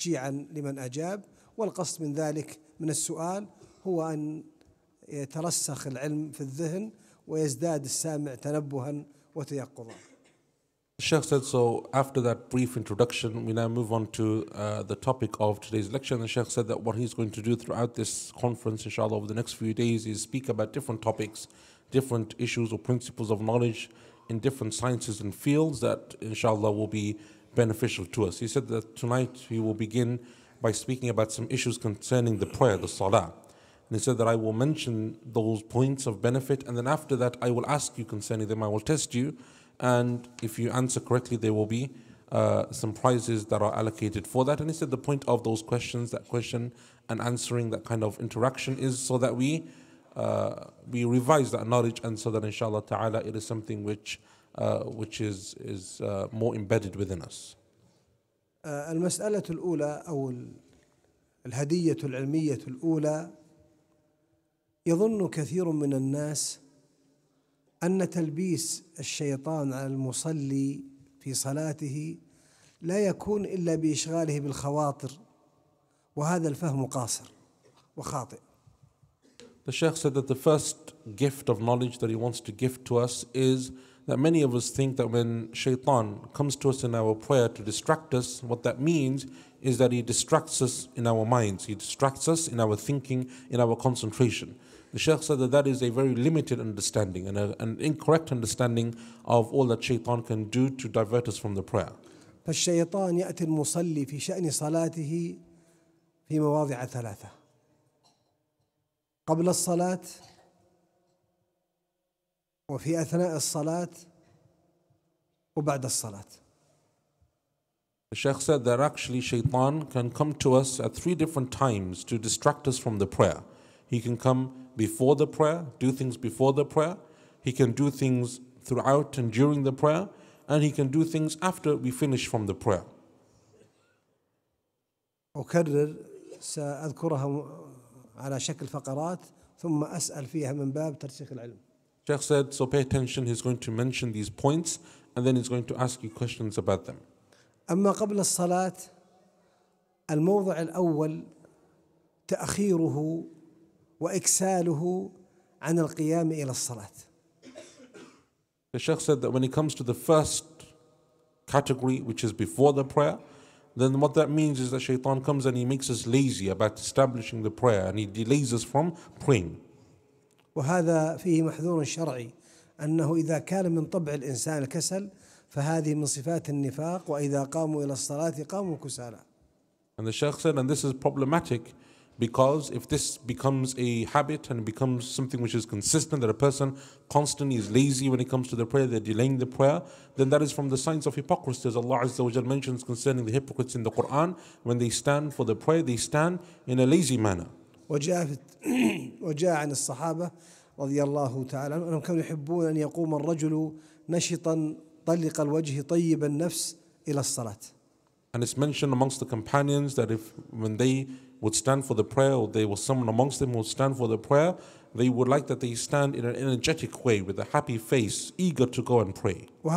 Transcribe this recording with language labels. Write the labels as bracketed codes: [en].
[ar] لمن أجاب والقصد من ذلك من السؤال هو أن يترسخ العلم في الذهن ويزداد السامع تنبها وتيقظا. [en] Shaykh said, so after that brief introduction, we now move on to the topic of today's lecture. And Shaykh said that what he's going to do throughout this conference, inshallah, over the next few days, is speak about different topics, different issues or principles of knowledge in different sciences and fields that, inshallah, will be beneficial to us. He said that tonight he will begin by speaking about some issues concerning the prayer, the salah. And he said that I will mention those points of benefit, and then after that I will ask you concerning them, I will test you, and if you answer correctly, there will be some prizes that are allocated for that. And he said the point of those questions, that question and answering, that kind of interaction, is so that we revise that knowledge, and so that inshallah ta'ala it is something which is more embedded within us. [ar] المسألة الأولى أو الهدية العلمية الأولى يظن كثير من الناس أن تلبيس الشيطان على المصلي في صلاته لا يكون إلا بإشغاله بالخواطر وهذا الفهم قاصر وخاطئ. [en] The Shaykh said that the first gift of knowledge that he wants to gift to us is that many of us think that when Shaytan comes to us in our prayer to distract us, what that means is that he distracts us in our minds, he distracts us in our thinking, in our concentration. The Shaykh said that that is a very limited understanding and an incorrect understanding of all that Shaytan can do to divert us from the prayer. [ar] فالشيطان يأتي المصلي في شأن صلاته في مواضع ثلاثة. قبل الصلاة وفي أثناء الصلاة وبعد الصلاة. [en] The Shaykh said that actually Shaytan can come to us at three different times to distract us from the prayer. He can come before the prayer, do things before the prayer. He can do things throughout and during the prayer, and he can do things after we finish from the prayer. [ar] أكرر سأذكرها على شكل فقرات ثم أسأل فيها من باب ترسيخ العلم. [en] Sheikh said, so pay attention. He's going to mention these points, and then he's going to ask you questions about them. [ar] أما قبل الصلاة، الموضع الأول تأخيره وإكساله عن القيام إلى الصلاة. [en] The Sheikh said that when it comes to the first category, which is before the prayer, then what that means is that Shaytan comes and he makes us lazy about establishing the prayer, and he delays us from praying. [ar] وهذا فيه محذور شرعي أنه إذا كان من طبع الإنسان الكسل فهذه من صفات النفاق وإذا قاموا إلى الصلاة قاموا كسالى. [en] And the Sheikh said, and this is problematic, because if this becomes a habit and becomes something which is consistent, that a person constantly is lazy when it comes to the prayer, they're delaying the prayer, then that is from the signs of hypocrisy. As Allah Azza wa Jalla mentions concerning the hypocrites in the Quran, when they stand for the prayer, they stand in a lazy manner. [ar] وجاء عن الصحابة رضي الله تعالى أنهم كانوا يحبون أن يقوم الرجل نشطا طلق الوجه طيب النفس إلى الصلاة. [en] And it's mentioned amongst the companions that if when they would stand for the prayer, or there was someone amongst them who would stand for the prayer, they would like that they stand in an energetic way with a happy face, eager to go and pray.